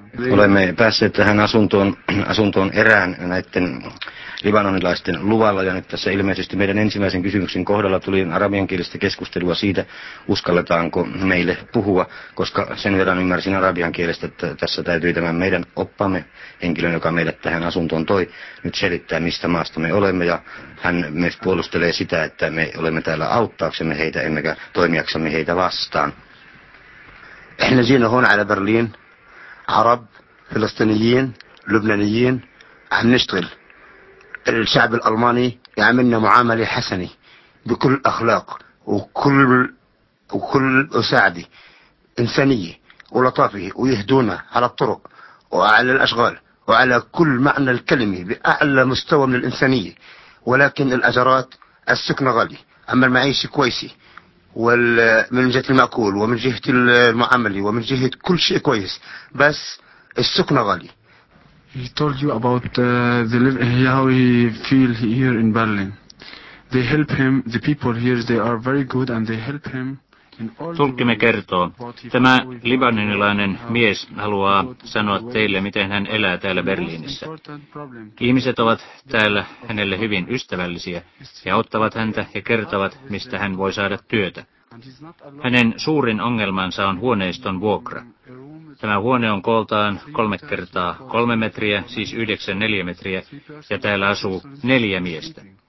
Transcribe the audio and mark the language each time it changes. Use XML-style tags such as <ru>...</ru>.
<fi>Olemme päässeet tähän asuntoon erään näiden libanonilaisten luvalla ja nyt tässä ilmeisesti meidän ensimmäisen kysymyksen kohdalla tuli arabiankielistä keskustelua siitä, uskalletaanko meille puhua, koska sen verran ymmärsin arabiankielestä, että tässä täytyy tämän meidän oppamme henkilön, joka meidät tähän asuntoon toi, nyt selittää, mistä maasta me olemme ja hän myös puolustelee sitä, että me olemme täällä auttaaksemme heitä, emmekä toimijaksemme heitä vastaan.</fi> <ar>احنا جينا هون على برلين عرب فلسطينيين لبنانيين عم نشتغل الشعب الالماني يعاملنا معامله حسنه بكل اخلاق وكل اساعده انسانيه ولطافه ويهدونا على الطرق وعلى الاشغال وعلى كل معنى الكلمه باعلى مستوى من الانسانيه ولكن الاجرات السكنه غالي اما المعيشه كويسه ومن جهة المأكول ومن جهة المعاملة ومن جهة كل شيء كويس بس السكنة غالية.</ar> <en>He told you about the how he feel here in Berlin. They help him. The people here, they are very good, and they help him.</en> <fi>Tulkkimme kertoo, tämä libanonilainen mies haluaa sanoa teille, miten hän elää täällä Berliinissä. Ihmiset ovat täällä hänelle hyvin ystävällisiä ja ottavat häntä ja kertovat, mistä hän voi saada työtä. Hänen suurin ongelmansa on huoneiston vuokra. Tämä huone on kooltaan 3x3 metriä, siis 9 neliömetriä, ja täällä asuu 4 miestä.</fi>